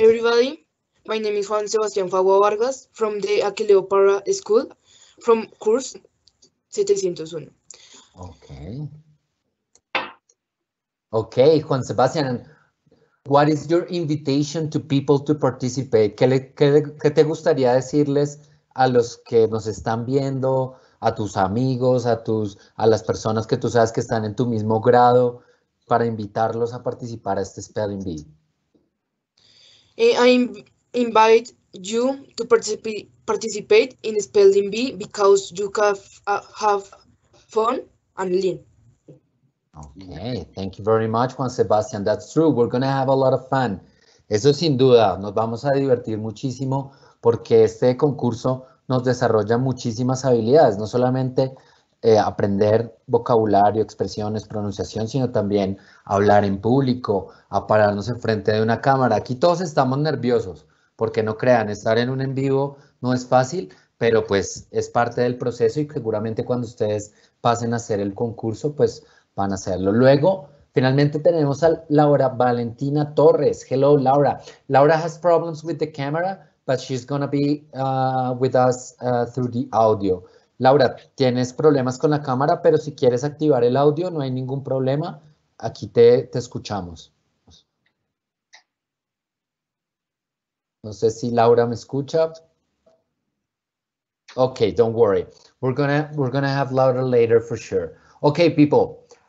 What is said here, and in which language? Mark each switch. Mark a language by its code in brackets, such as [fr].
[en] Everybody. My name is Juan Sebastián Fagua Vargas from the Aquileo Parra School, from course 701. Okay. Okay, Juan Sebastián, what is your invitation to people to participate? [es] ¿Qué te gustaría decirles a los que nos están viendo, a tus amigos, a las personas que tú sabes que están en tu mismo grado, para invitarlos a participar a este Spelling Bee? [en] I invite you to participate in Spelling Bee because you can have fun and learn. Okay, thank you very much, Juan Sebastián. That's true. We're going to have a lot of fun. [es] Eso sin duda, nos vamos a divertir muchísimo porque este concurso nos desarrolla muchísimas habilidades, no solamente aprender vocabulario, expresiones, pronunciación, sino también hablar en público, a pararnos enfrente de una cámara. Aquí todos estamos nerviosos, porque no crean, estar en un en vivo no es fácil, pero pues es parte del proceso y seguramente cuando ustedes pasen a hacer el concurso, pues van a hacerlo. Luego, finalmente tenemos a Laura Valentina Torres. [en] Hello, Laura. Laura has problems with the camera, but she's going to be with us through the audio. [es] Laura, tienes problemas con la cámara, pero si quieres activar el audio, no hay ningún problema. Aquí te escuchamos. No sé si Laura me escucha. [en] Okay, don't worry. We're gonna have Laura later for sure. Okay, people.